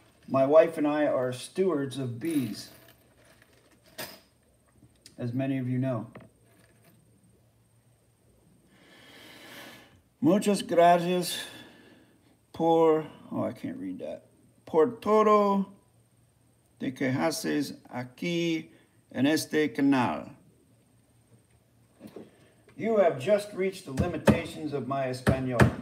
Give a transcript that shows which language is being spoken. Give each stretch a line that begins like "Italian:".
English: My wife and I are stewards of bees, as many of you know.
Spanish: Muchas gracias por,
English: oh, I can't read that.
Spanish: Por todo de que haces aquí en este canal.
English: You have just reached the limitations of my Espanol.